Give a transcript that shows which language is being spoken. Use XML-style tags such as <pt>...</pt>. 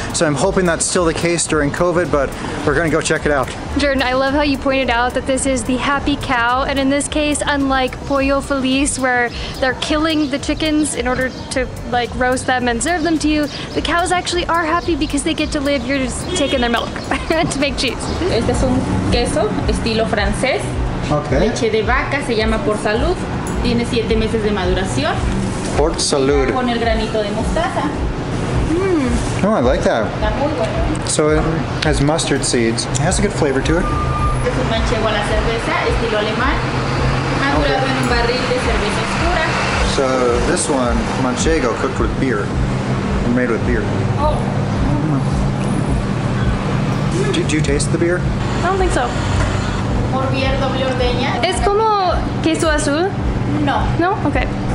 <en>So I'm hoping that's still the case during COVID, but we're gonna go check it out. Jordan, I love how you pointed out that this is the happy cow. And in this case, unlike Pollo Feliz, where they're killing the chickens in order to like roast them and serve them to you, the cows actually are happy because they get to live. You're just taking their milk to make cheese.</en> <es>Este es un queso estilo francés.</es> <en>Okay.</en> <es>Leche de vaca, se llama Por Salud. Tiene 7 meses de maduración. Por Salud. Voy a poner granito de mostaza.</es> <en>Oh, I like that. So it has mustard seeds. It has a good flavor to it. Es un manchego a la cerveza, estilo alemán. Madurado en un barril de cerveza oscura. So this one, manchego, cooked with beer. Made with beer. Oh. Do you taste the beer? I don't think so.</en> <es>Por beer doble ordeña. ¿Es como queso azul? No.</es> <en>No? Okay.</en>